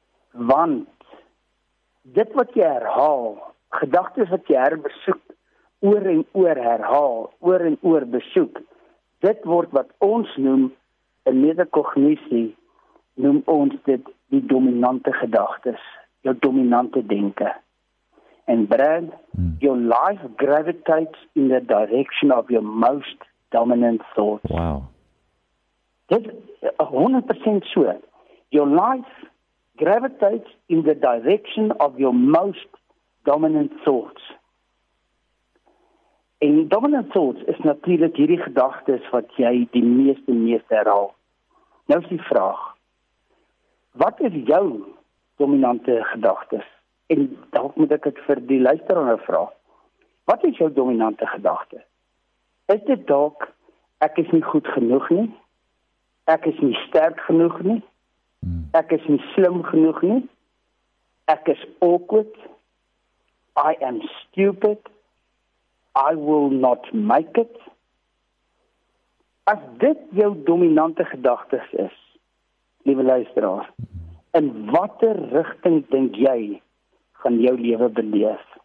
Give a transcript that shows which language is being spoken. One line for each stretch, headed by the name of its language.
Afrikaans: Want dit wat jy herhaal, gedagtes wat jy herbesoek, oor en oor herhaal, oor en oor besoek, dit word wat ons noem 'n metakognisie, noem ons dit die dominante gedagtes, jou dominante denke.
English: En Brad, your life gravitates in the direction of your most dominant thoughts. Wow.
Afrikaans: Dit is 100% so.
English: Your life gravitates in the direction of your most dominant thoughts.
Afrikaans: En dominant thoughts is natuurlijk hierdie gedagtes wat jy die meeste herhaal. Nou is die vraag, wat is jou dominante gedagtes? En dalk moet ek dit vir die luisteraar nou vra. Wat is jou dominante gedagte? Is dit dalk ek is nie goed genoeg nie? Ek is nie sterk genoeg nie? Ek is nie slim genoeg nie? Ek is awkward.
English: I am stupid. I will not make it.
Afrikaans: As dit jou dominante gedagtes is, lieve luisteraar, in watter rigting dink jy gaan jou lewe beleef?